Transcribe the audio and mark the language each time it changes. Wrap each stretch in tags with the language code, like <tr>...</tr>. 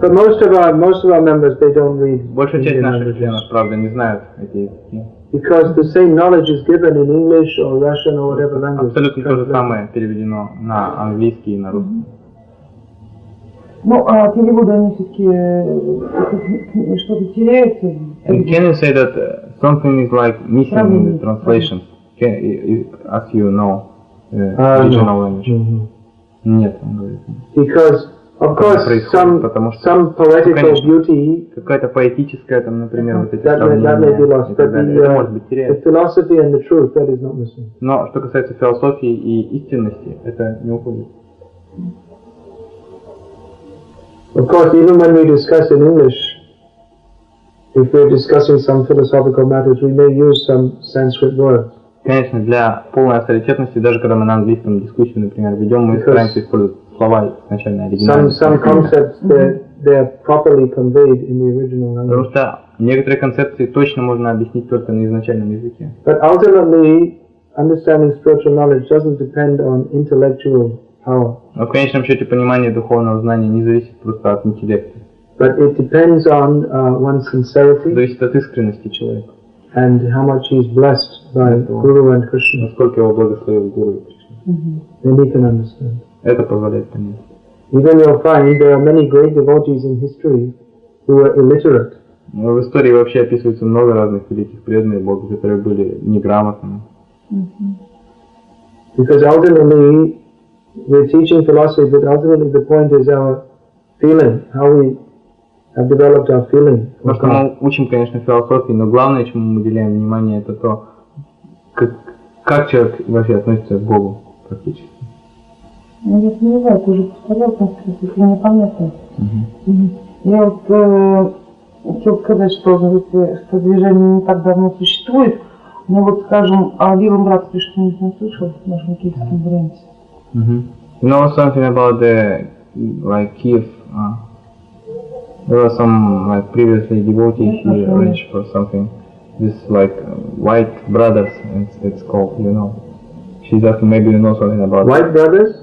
<en>But most of our members, they don't read.</en> <ru>Большая часть наших членов, правда, не знают эти языки.</ru> <en>Because the same knowledge is given in English or Russian or whatever language.</en> <ru>Абсолютно то же самое переведено на английский и на русский. Ну, а переводы, они все-таки что-то теряются?</ru> <en>And can you say that something is like missing Probably in the translation? Can, as you know, original language? Mm-hmm.</en> <ru>Нет, он говорит.</ru> <en>Because, of course, some poetical</en> <ru>конечно,</ru> <en>beauty...</en> <ru>Какая-то поэтическая, там, например, вот эти сравнения и так далее. Это может быть теряется.</ru> <en>The philosophy and the truth, that is not missing.</en> <ru>Но что касается философии и истинности, это не уходит.</ru> <en>Of course, even when we discuss in English, if we're discussing some philosophical matters, we may use some Sanskrit words.</en> <ru>Конечно, для полной авторитетности, даже когда мы на английском дискуссии, например, ведем, мы стараемся использовать слова изначально оригинальные.</ru> <en>Some concepts they're properly conveyed in the original language.</en> <ru>Потому что некоторые концепции точно можно объяснить только на изначальном языке.</ru> <en>But ultimately, understanding spiritual knowledge doesn't depend on intellectual.</en> <ru>Но в конечном счете понимание духовного знания не зависит просто от интеллекта.</ru> <en>But it depends on one's sincerity.</en> <ru>Зависит от искренности человека.</ru> <en>And how much he is blessed by Guru and Krishna.</en> <ru>Насколько его благословил Гуру и Кришна.</ru> <en>Then he can understand.</en> <ru>Это позволяет понять.</ru> <en>Even you'll find there are many great devotees in history who were illiterate.</en> <ru>Но в истории вообще описывается много разных великих преданных богов, которые были неграмотными.</ru> <en>Because ultimately we're teaching philosophy, but ultimately the point is our feeling, how we have developed our feeling.</en> <ru>Потому что мы учим, конечно, философии, но главное, чему мы уделяем внимание, это то, как человек вообще относится к Богу, практически. Я не знаю, ты уже повторял, конечно, это непонятно. Я вот хотел сказать, что движение не так давно существует, но вот, скажем, о Левом Братстве что-нибудь не слышал в нашем киевском варианте.</ru> <en>You know something about the, like, Kiev, there were some, like, previously devotees here, rich or something, this, like, White Brothers, it's called, you know, she's asking, maybe you know something about White that. Brothers?</en>